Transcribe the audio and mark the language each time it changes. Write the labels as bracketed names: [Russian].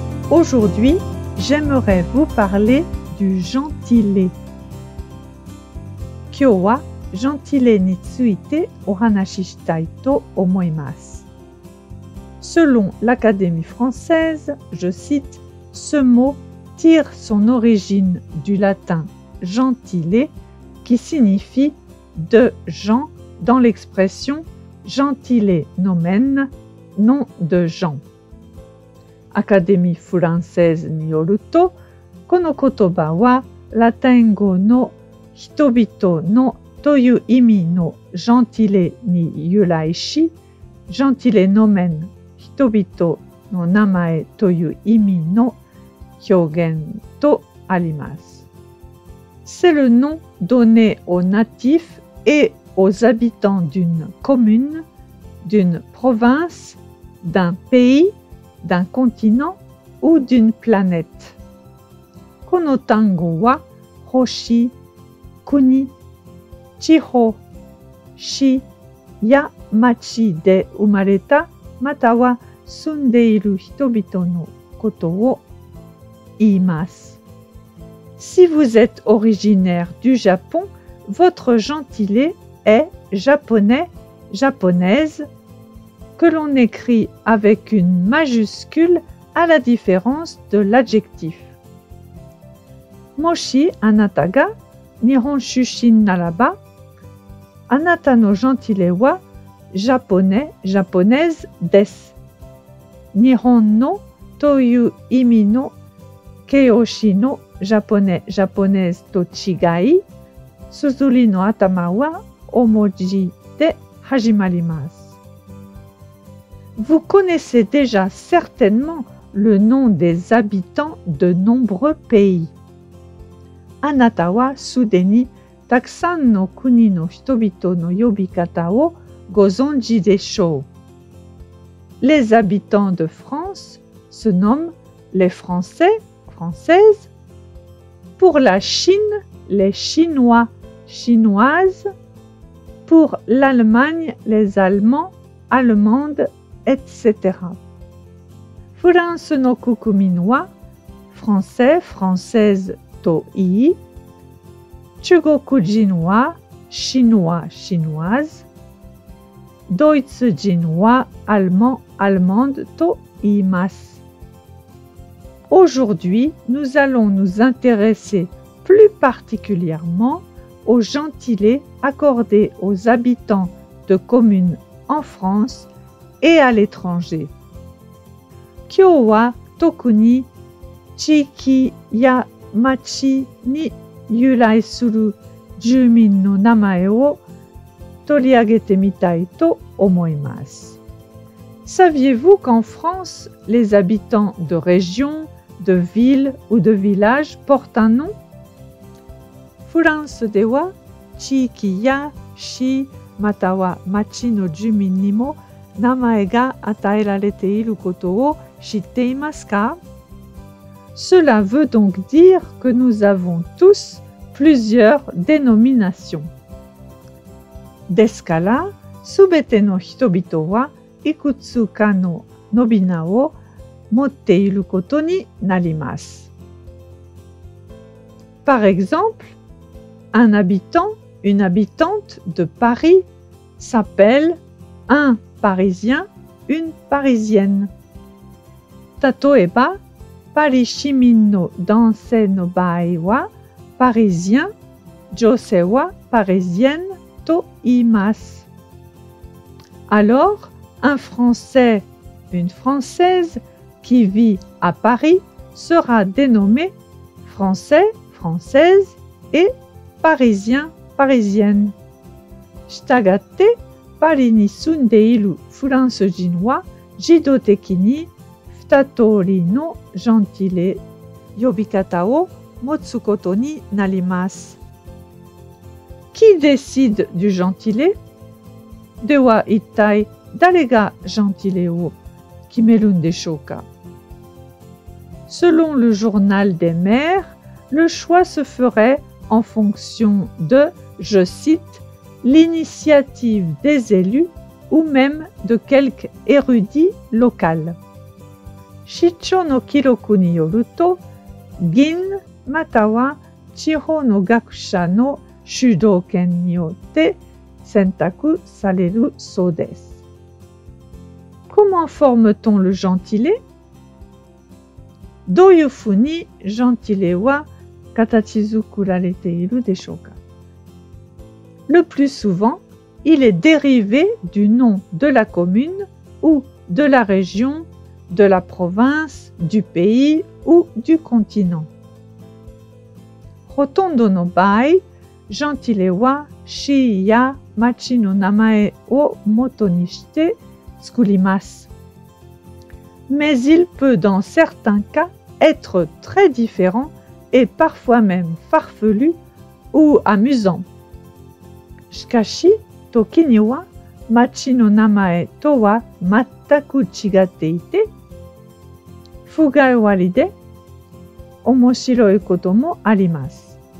[French] Aujourd'hui, j'aimerais vous parler du gentilé. [Japanese] 今日はジェンティレについてお話ししたいと思います。 [French] Selon l'Académie française, je cite, ce mot tire son origine du latin gentilé qui signifie de gens dans l'expression gentilé nomen, nom de gens. [Japanese] アカデミーフランセーズによると、この言葉はラテン語の人々のという意味のジェンティレに由来し、ジェンティレノメン、人々の名前という意味の表現とあります。 [French] C'est le nom donné aux natifs et aux habitants d'une commune, d'une province, d'un pays,d'un continent ou d'une planète. [Japanese] この単語は星、国、地方、市や町で生まれたまたは住んでいる人々のことを言います。 [French] Si vous êtes originaire du Japon, votre gentilé est japonais, japonaise.Que l'on écrit avec une majuscule à la différence de l'adjectif. [Japanese] もしあなたが日本出身ならば、あなたのジェンティレはジャポネ、ジャポネーズです。日本のという意味の形容詞のジャポネ、ジャポネーズと違い、スズリの頭は大文字で始まります。 [French] Vous connaissez déjà certainement le nom des habitants de nombreux pays. [Japanese] あなたはすでにたくさんの国の人々の呼び方をご存知でしょう。 [French] Les habitants de France se nomment les Français, Françaises. Pour la Chine, les Chinois, Chinoises. Pour l'Allemagne, les Allemands, Allemandes, etc. [Japanese] フランスの国民は Français, Françaises といい、中国人は、Chinois, Chinoise、ドイツ人は、Allemand, Allemande と言います。 [French] Aujourd'hui, nous allons nous intéresser plus particulièrement aux gentilés accordés aux habitants de communes en France et à l'étranger. [Japanese] 今日は、特に、地域や町に由来する住民の名前を取り上げてみたいと思います。 [French] Saviez-vous qu'en France, les habitants de régions, de villes ou de villages portent un nom? [Japanese] フランスでは、地域や市または町の住民にも名前が与えられていることを知っていますか？ [French] Cela veut donc dire que nous avons tous plusieurs dénominations. [Japanese] ですから、すべての人々はいくつかの呼び名を持っていることになります。 [French] Par exemple, un habitant, une habitante de Paris s'appelle un Parisien, une Parisienne. [Japanese] 例えば、パリ市民の男性の場合は、パリジェン、女性はパリジェンと言います。 [French] Alors, un Français, une Française qui vit à Paris sera dénommé Français, Française et Parisien, Parisienne. [Japanese] したがって、パリに住んでいるフランス人は、ジドテキニ、2通りのジェンティレ呼び方を持つことになります。 [French] Qui décide du [Japanese] ジェンティレ？では一体誰がジェンティレを決めるんでしょうか？ [French] Selon le journal des maires, le choix se ferait en fonction de, je cite, l'initiative des élus ou même de quelques érudits locaux. [Japanese] 市長の記録によると、議員または地方の学者の主導権によって選択されるそうです。 [French] Comment forme-t-on le gentilé? [Japanese] どういうふうにジェンティレは形作られているでしょうか? [French] Le plus souvent, il est dérivé du nom de la commune ou de la région. De la province, du pays ou du continent. [Japanese] ほとんどの場合、ジェンティレは市や町の名前をもとにして作ります。 [French] Mais il peut dans certains cas être très différent et parfois même farfelu ou amusant. [Japanese] しかし、時には町の名前とは全く違っていて、不甲斐ありで面白いこともあります。